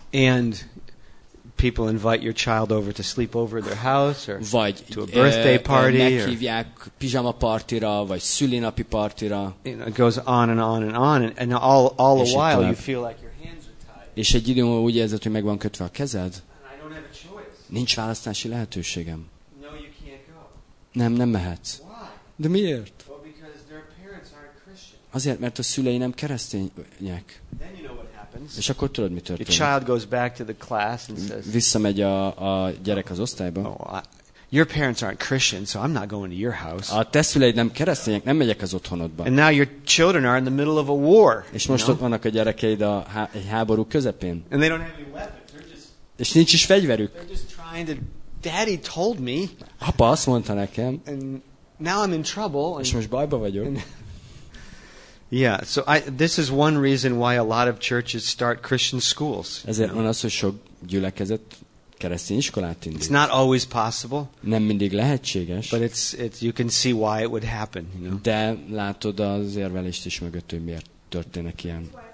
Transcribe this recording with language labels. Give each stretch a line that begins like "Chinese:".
English: And people invite your child over to sleep over at their house or
Hungarian: vagy,
English: to a birthday party.
Hungarian: Meghívják pizsama partira, vagy szülinapi partira.
English: It goes on and on and on, and all the while
Hungarian: tovább.
English: You feel like your hands are tied.
Hungarian: És egy idő múlva úgy érzed, hogy meg van kötve a kezed. Nincs választási lehetőségem.
English: No, you can't go.
Hungarian: Nem mehetsz.
English: Why?
Hungarian: De miért?
English: Well, because their parents aren't Christian.
Hungarian: Azért, mert a szülei nem keresztények.
English: Then you know what happens.
Hungarian: És akkor tudod, mi történik.
English: Your child goes back to the class and says,
Hungarian: visszamegy a gyerek az osztályba.
English: Your parents aren't Christian, so I'm not going to your house.
Hungarian: A te szüleid nem keresztények, nem megyek az otthonodba.
English: And now your children are in the middle of a war.
Hungarian: És most ott vannak a gyerekeid a háború közepén.
English: And they don't have any weapons.
Hungarian: És nincs is fegyverük.
English: Daddy told me.
Hungarian: Apa azt mondta nekem.
English: And now I'm in trouble.
Hungarian: És most bajba vagyok.
English: Yeah, so this is one reason why a lot of churches start Christian schools.
Hungarian: Ezért van az, hogy sok gyülekezet keresztény iskolát indít.
English: It's not always possible.
Hungarian: Nem mindig lehetséges.
English: But it's you can see why it would happen. You know?
Hungarian: De látod az érvelést is mögött, hogy miért történik ilyen.